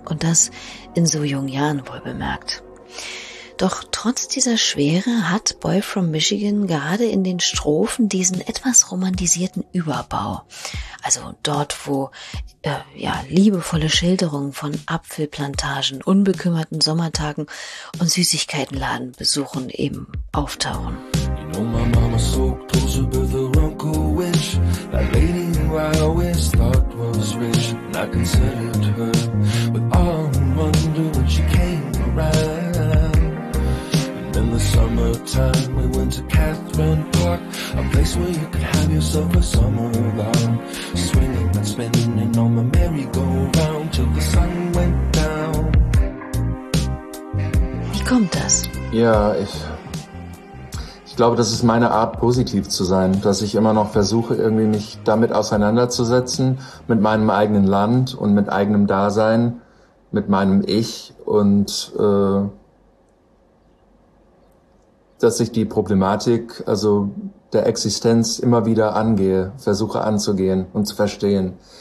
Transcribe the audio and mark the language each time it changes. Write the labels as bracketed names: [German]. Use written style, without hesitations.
[German] Und das in so jungen Jahren wohl bemerkt. Doch trotz dieser Schwere hat Boy from Michigan gerade in den Strophen diesen etwas romantisierten Überbau. Also dort, wo liebevolle Schilderungen von Apfelplantagen, unbekümmerten Sommertagen und Süßigkeitenladen besuchen eben auftauchen. [English] You know my mama soaked clothes with the wrinkle witch. That lady who I always thought was rich. And I considered her with all wonder when she came around. In the summertime, we went to Catherine Park, a place where you could have yourself a summer lark. Swinging and spinning on the merry-go-round till the sun went down. [German] Wie kommt das? Ja, ich glaube, das ist meine Art, positiv zu sein, dass ich immer noch versuche, irgendwie mich damit auseinanderzusetzen, mit meinem eigenen Land und mit eigenem Dasein, mit meinem Ich und dass ich die Problematik, also der Existenz, immer wieder angehe, versuche anzugehen und zu verstehen.